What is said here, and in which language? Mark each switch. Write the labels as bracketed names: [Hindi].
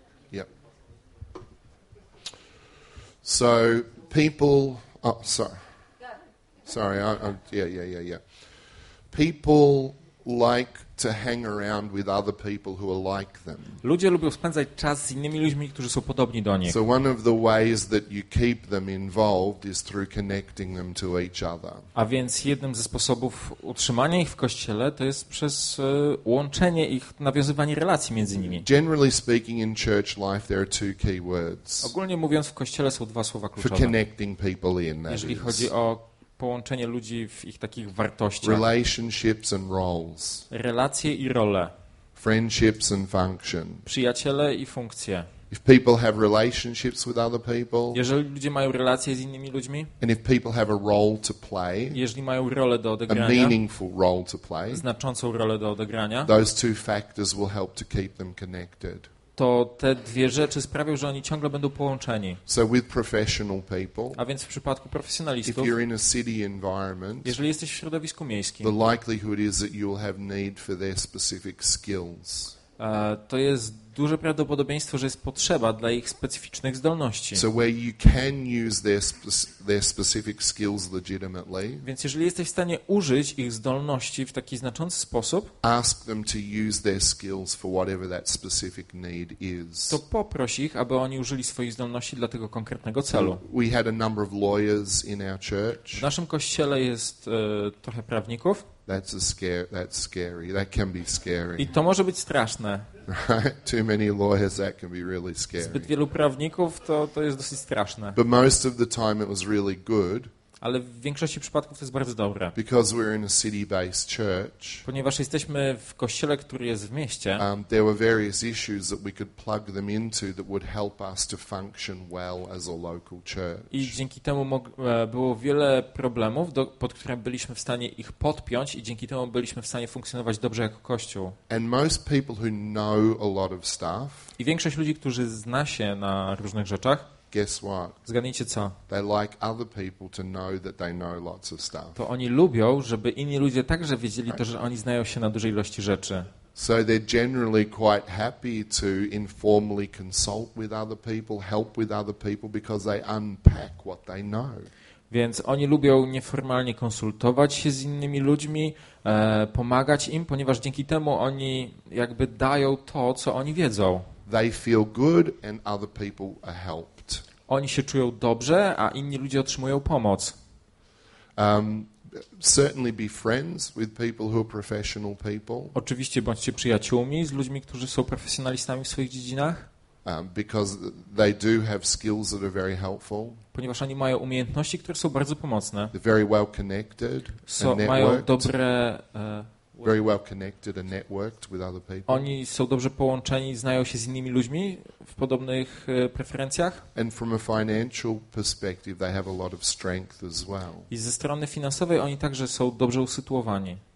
[English] Yep. So people. Oh, sorry. Yeah. People like to hang around with other people who are like them. [Polish] Ludzie lubią spędzać czas z innymi ludźmi, którzy są podobni do nich. [English] So one of the ways that you keep them involved is through connecting them to each other. [Polish] A więc jednym ze sposobów utrzymania ich w kościele to jest przez łączenie ich, nawiązywanie relacji między nimi. [English] Generally speaking in church life there are two key words. [Polish] Ogólnie mówiąc w kościele są dwa słowa kluczowe. [English] For connecting people in that. [Polish] Jeżeli chodzi o połączenie ludzi w ich takich wartościach. [English] Relationships and roles. [Polish] Relacje i role. [English] Friendships and function. [Polish] Przyjaciele i funkcje. [English] If people have relationships with other people, [Polish] jeżeli ludzie mają relacje z innymi ludźmi, [English] and if people have a role to play, [Polish] jeżeli mają rolę do odegrania, [English] a meaningful role to play, [Polish] znaczącą rolę do odegrania, [English] those two factors will help to keep them connected. [Polish] To te dwie rzeczy sprawią, że oni ciągle będą połączeni. [English] So with professional people, [Polish] a więc w przypadku profesjonalistów, [English] if you're in a city environment, [Polish] jeżeli jesteś w środowisku miejskim, [English] the likelihood is that you'll have need for their specific skills. [Polish] To jest duże prawdopodobieństwo, że jest potrzeba dla ich specyficznych zdolności. [English] So where you can use their specific skills legitimately, [Polish] więc jeżeli jesteś w stanie użyć ich zdolności w taki znaczący sposób, [English] ask them to use their skills for whatever that specific need is. [Polish] To poproś ich, aby oni użyli swoich zdolności dla tego konkretnego celu. [English] We had a number of lawyers in our church. [Polish] W naszym kościele jest trochę prawników. [English] That's scary. That can be scary. [Polish] I to może być straszne. [English] Right? Too many lawyers, that can be really scary. [Polish] Zbyt wielu prawników, to jest dosyć straszne. [English] But most of the time it was really good. [Polish] Ale w większości przypadków to jest bardzo dobre. [English] Because we're in a city-based church. [Polish] Ponieważ jesteśmy w kościele, który jest w mieście. [English] There were various issues that we could plug them into that would help us to function well as a local church. [Polish] I dzięki temu było wiele problemów, pod które byliśmy w stanie ich podpiąć i dzięki temu byliśmy w stanie funkcjonować dobrze jako kościół. [English] And most people who know a lot of stuff. [Polish] I większość ludzi, którzy zna się na różnych rzeczach. [English] Guess what? [Polish] Zgadnijcie co? [English] They like other people to know that they know lots of stuff. [Polish] To oni lubią, żeby inni ludzie także wiedzieli to, że oni znają się na dużej ilości rzeczy. [English] So they're generally quite happy to informally consult with other people, help with other people because they unpack what they know. [Polish] Więc oni lubią nieformalnie konsultować się z innymi ludźmi, pomagać im, ponieważ dzięki temu oni jakby dają to, co oni wiedzą. [English] They feel good and other people are helped. [Polish] Oni się czują dobrze, a inni ludzie otrzymują pomoc. [English] Certainly be friends with people who are professional people. [Polish] Oczywiście bądźcie przyjaciółmi z ludźmi, którzy są profesjonalistami w swoich dziedzinach. [English] Because they do have skills that are very helpful. [Polish] Ponieważ oni mają umiejętności, które są bardzo pomocne. [English] They're very well connected and [Polish] mają dobre [English] very well connected and networked with other people. [Polish] Oni są dobrze połączeni, znają się z innymi ludźmi w podobnych preferencjach. [English] And from a financial perspective, they have a lot of strength as well. [Polish] I ze strony finansowej oni także są dobrze usytuowani.